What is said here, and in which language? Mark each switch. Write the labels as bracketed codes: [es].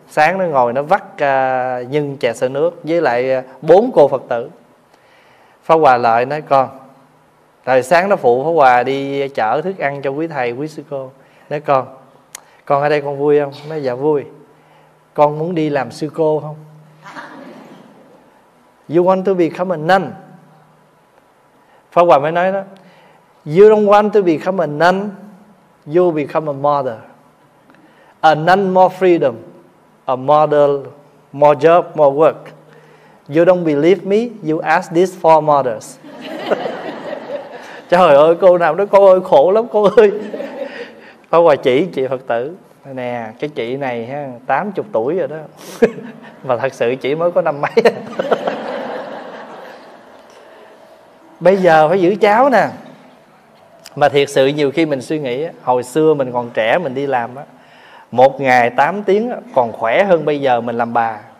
[vi] Sáng nó ngồi nó vắt nhân chè sữa nước với lại 4 cô Phật tử. Pháp Hòa lại nói: con, tại sáng nó phụ Pháp Hòa đi chở thức ăn cho quý thầy quý sư cô. Nói: con ở đây con vui không? Nói: dạ vui. Con muốn đi làm sư cô không? [en] You want to become a nun? [vi] Pháp Hòa mới nói đó: [en] you don't want to become a nun, you become a mother. A nun more freedom, a mother more job, more work. You don't believe me, you ask these four mothers. [vi] Trời ơi, cô nào đó, cô ơi, khổ lắm cô ơi. Phá Hoài chị Phật tử. Nè, cái chị này ha, 80 tuổi rồi đó. Mà thật sự chị mới có năm mấy. Bây giờ phải giữ cháu nè. Mà thiệt sự nhiều khi mình suy nghĩ, hồi xưa mình còn trẻ mình đi làm á, một ngày 8 tiếng còn khỏe hơn bây giờ mình làm bà.